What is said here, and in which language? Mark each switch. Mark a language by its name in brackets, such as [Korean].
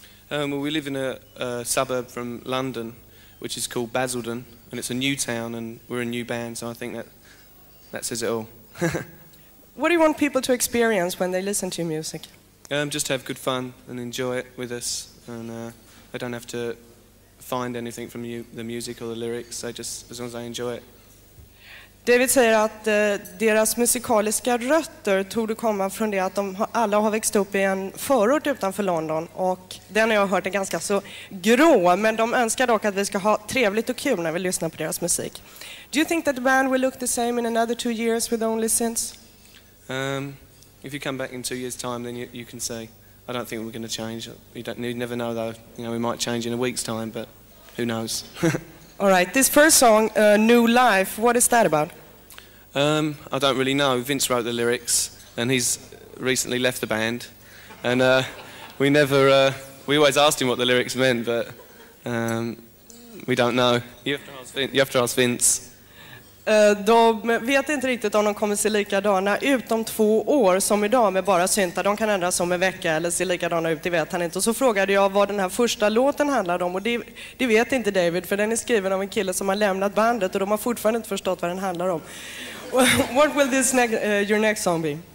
[English] Well, we live in a suburb from London, which is called Basildon, and it's a new town, and we're a new band, so I think that says it all. What do you want people to experience when they listen to music? Just have good fun and enjoy it with us, and they don't have to find anything from the music or the lyrics, so just as long as I enjoy it. [Swedish] David säger att deras musikaliska rötter tog det komma från det att de alla har växt upp i en förort utanför London. Och den har jag hört är ganska så grå, men de önskar dock att vi ska ha trevligt och kul när vi lyssnar på deras musik. [English] Do you think that the band will look the same in another 2 years with only synths? If you come back in 2 years time, then you can say, I don't think we're going to change. You never know though, you know, we might change in a week's time, but who knows? All right, this first song, New Life, what is that about? I don't really know. Vince wrote the lyrics, and he's recently left the band. And we always asked him what the lyrics meant, but we don't know. You have to ask Vince. [Swedish] De vet inte riktigt om de kommer se likadana ut om 2 år som idag med bara syntar. De kan ändras om en vecka eller se likadana ut, det vet han inte. Och så frågade jag vad den här första låten handlade om, och det vet inte David, för den är skriven av en kille som har lämnat bandet, och de har fortfarande inte förstått vad den handlar om. [English] What will this your next song be?